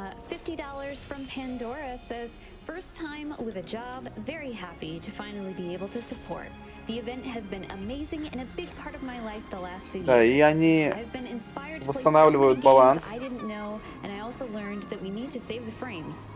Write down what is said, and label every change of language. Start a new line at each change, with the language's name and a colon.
English: $50 from Pandora says, first time with a job, very happy to finally be able to support. The event has been amazing and a big part of my life the last few years.
Russian: Да, и они восстанавливают баланс.
English: I didn't know, and I also learned that we need to save the frames.